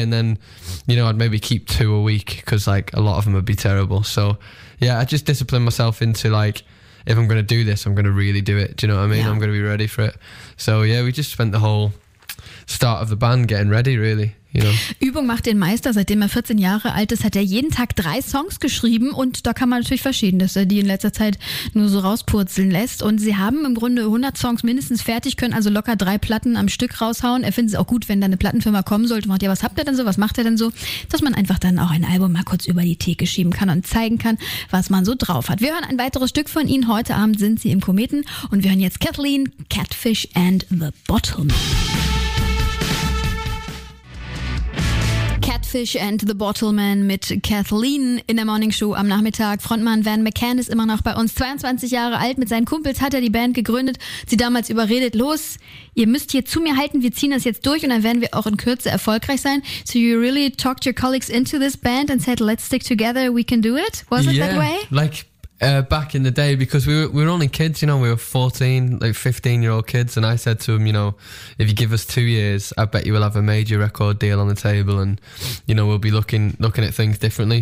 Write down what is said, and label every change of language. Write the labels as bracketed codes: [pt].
[en] And then, you know, I'd maybe keep 2 a week because like a lot of them would be terrible. So yeah, I just disciplined myself into like, if I'm going to do this, I'm going to really do it. Do you know what I mean? Yeah. I'm going to be ready for it. So yeah, we just spent the whole start of the band getting ready, really. [de] Yeah. Übung macht den Meister. Seitdem er 14 Jahre alt ist, hat er jeden Tag 3 Songs geschrieben und da kann man natürlich verschieden, dass er die in letzter Zeit nur so rauspurzeln lässt. Und sie haben im Grunde 100 Songs mindestens fertig, können also locker 3 Platten am Stück raushauen. Er findet es auch gut, wenn da eine Plattenfirma kommen sollte und macht, ja, was habt ihr denn so, was macht er denn so, dass man einfach dann auch ein Album mal kurz über die Theke schieben kann und zeigen kann, was man so drauf hat. Wir hören ein weiteres Stück von ihnen. Heute Abend sind sie im Kometen und wir hören jetzt Kathleen, Catfish and the Bottleman. Catfish and the Bottleman mit Kathleen in der Morning Show am Nachmittag. Frontmann Van McCann ist immer noch bei uns. 22 Jahre alt, mit seinen Kumpels hat er die Band gegründet, sie damals überredet, los, ihr müsst hier zu mir halten, wir ziehen das jetzt durch und dann werden wir auch in Kürze erfolgreich sein. [en] So you really talked your colleagues into this band and said, let's stick together, we can do it? Was it that way? Back in the day, because we were only kids, you know, we were 14, like 15-year-old kids, and I said to him, you know, if you give us 2 years, I bet you will have a major record deal on the table and, you know, we'll be looking at things differently.